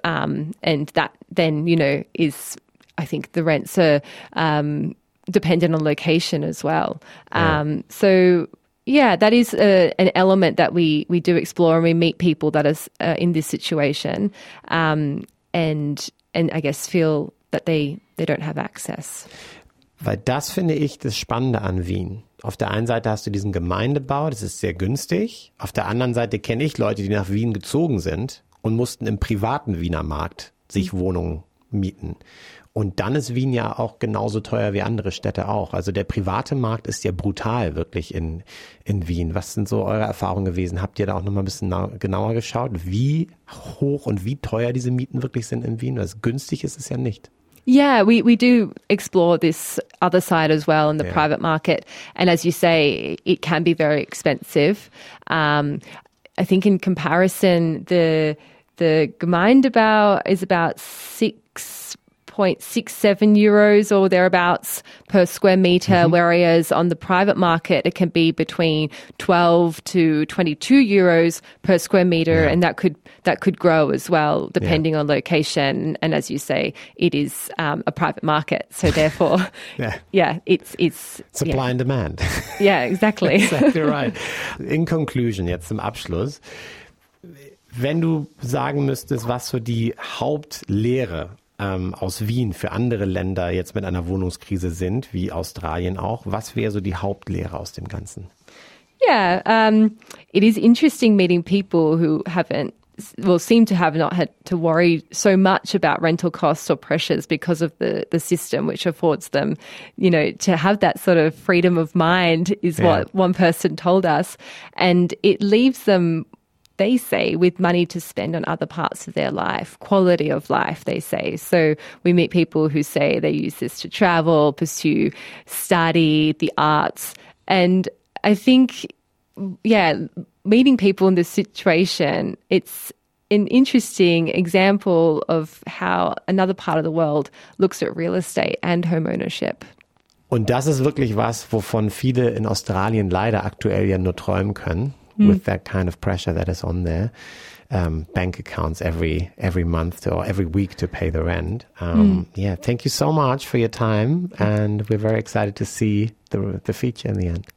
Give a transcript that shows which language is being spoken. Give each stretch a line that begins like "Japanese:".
English: And that then, you know, is, I think the rents are dependent on location as well. So yeah, that is an element that we do explore, and we meet people that are in this situation and I guess feel that they don't have access.
German: Weil das finde ich das Spannende an Wien. Auf der einen Seite hast du diesen Gemeindebau, das ist sehr günstig. Auf der anderen Seite kenne ich Leute, die nach Wien gezogen sind und mussten im privaten Wiener Markt sich Wohnungen mieten. Und dann ist Wien ja auch genauso teuer wie andere Städte auch. Also der private Markt ist ja brutal wirklich in Wien. Was sind so eure Erfahrungen gewesen? Habt ihr da auch nochmal ein bisschen genauer geschaut, wie hoch und wie teuer diese Mieten wirklich sind in Wien? Also günstig ist es ja nicht.
English: Yeah, we do explore this other side as well in the private market. And as you say, it can be very expensive. I think in comparison, the Gemeindebau is about 6.67 euros or thereabouts per square meter, whereas on the private market, it can be between 12 to 22 euros per square meter. Yeah. And that could grow as well, depending on location. And as you say, it is a private market. So therefore, it's supply and demand. Yeah, exactly. Exactly right. In conclusion,
German: jetzt zum Abschluss. Wenn du sagen müsstest, was so die Hauptlehre aus Wien für andere Länder jetzt mit einer Wohnungskrise sind, wie Australien auch, was wäre so die Hauptlehre aus dem Ganzen?
English: Yeah, it is interesting meeting people who seem to have not had to worry so much about rental costs or pressures because of the system, which affords them, you know, to have that sort of freedom of mind is what one person told us. And it leaves them, they say, with money to spend on other parts of their life, quality of life, they say. So we meet people who say they use this to travel, pursue study, the arts. And I think, meeting people in this situation, it's an interesting example of how another part of the world looks at real estate and home ownership.
German: Und das ist wirklich was, wovon viele in Australien leider aktuell ja nur träumen können.
English: With that kind of pressure that is on there, bank accounts every month or every week to pay the rent. Thank you so much for your time, and we're very excited to see the feature in the end.